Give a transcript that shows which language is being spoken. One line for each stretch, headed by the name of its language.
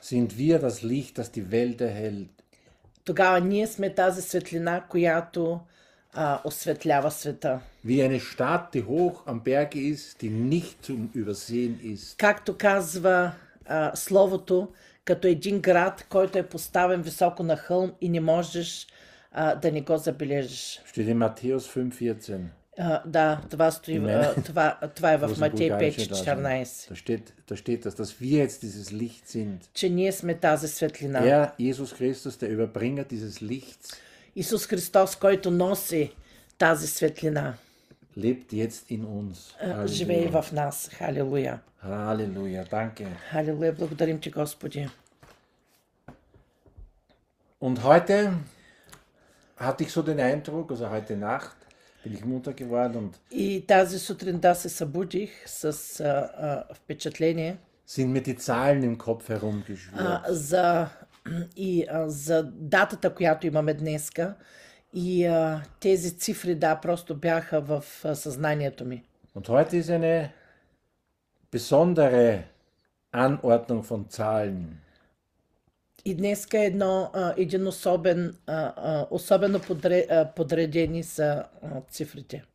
German: sind wir das Licht, das die Welt erhält.
Bulgarian: Тогава ние сме тази светлина, която осветлява света.
German: Wie eine Stadt, die hoch am Berg ist, die nicht zum übersehen ist.
Bulgarian: Както казва Словото, като един град, който е поставен високо на хълм и не можеш да не го забележиш. Стои Матеус 5:14. Да, това стои това е в Матей 5:14.
German: Dass wir jetzt dieses Licht sind.
Bulgarian: Че ние сме тази светлина.
German: Ja, Jesus Christus, der Überbringer dieses Lichts.
Bulgarian: Исус Христос, който носи тази светлина.
German: Lebt jetzt in uns.
Bulgarian: Живее в нас. Халелуя.
German: Халелуя, danke.
Bulgarian: Халелуя, благодарим ти, Господи.
German: Und heute hatte ich so den Eindruck, also heute Nacht bin ich munter geworden und
Bulgarian: и тази сутрин да се събудих с впечатление.
German: Sind mir die Zahlen im Kopf herumgeschwirrt.
Bulgarian: За датата, която имаме днеска, и тези цифри да просто бяха в съзнанието ми.
German: Und heute ist eine besondere Anordnung von Zahlen.
Bulgarian: И днеска едно един особено подредени са цифрите.